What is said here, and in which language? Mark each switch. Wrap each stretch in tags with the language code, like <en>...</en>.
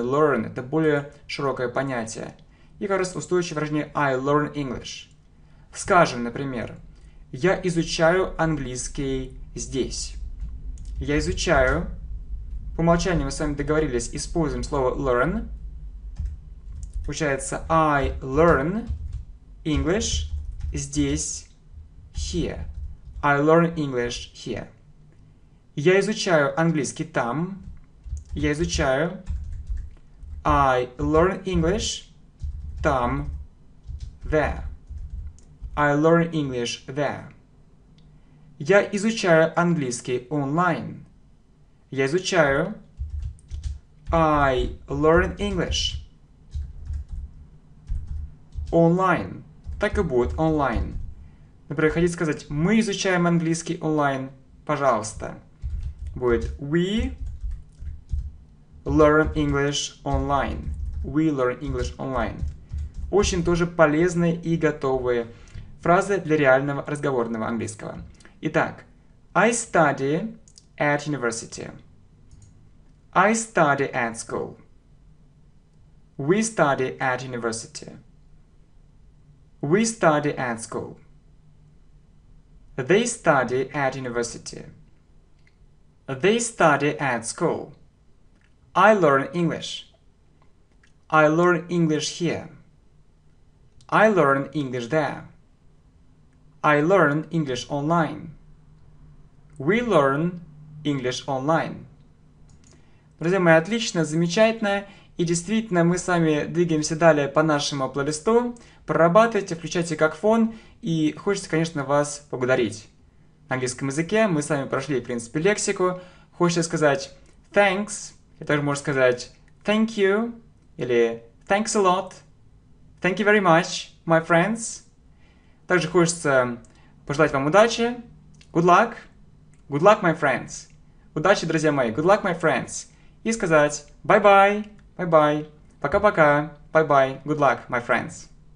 <ru>Learn – это более широкое понятие. И, как раз, устойчивое выражение</ru> <en>I learn English.</en> <ru>Скажем, например, я изучаю английский здесь. Я изучаю. По умолчанию мы с вами договорились, используем слово learn.</ru> <en>Получается I learn English здесь, here. I learn English here.</en> <ru>Я изучаю английский там. Я изучаю.</ru> <en>I learn English</en> <ru>там,</ru> <en>there. I learn English there.</en> <ru>Я изучаю английский онлайн. Я изучаю.</ru> <en>I learn English.</en> <ru>Онлайн. Так и будет, онлайн. Например, хотите сказать, мы изучаем английский онлайн, пожалуйста. Будет</ru> <en>we learn English online. We learn English online.</en> <ru>Очень тоже полезные и готовые фразы для реального разговорного английского.</ru> <en>Итак, I study at university. I study at school. We study at university. We study at school. They study at university. They study at school. I learn English. I learn English here. I learn English there. I learn English online. We learn English online.</en> <ru>Друзья мои, отлично, замечательно. И действительно, мы с вами двигаемся далее по нашему плейлисту. Прорабатывайте, включайте как фон. И хочется, конечно, вас поблагодарить. На английском языке мы с вами прошли, в принципе, лексику. Хочется сказать</ru> <en>thanks.</en> <ru>И также можно сказать</ru> <en>thank you. Или thanks a lot. Thank you very much, my friends.</en> <ru>Также хочется пожелать вам удачи.</ru> <en>Good luck. Good luck, my friends.</en> <ru>Удачи, друзья мои.</ru> <en>Good luck, my friends. И сказать bye-bye, bye-bye,</en> <ru>пока-пока,</ru> <en>bye-bye, good luck, my friends.</en>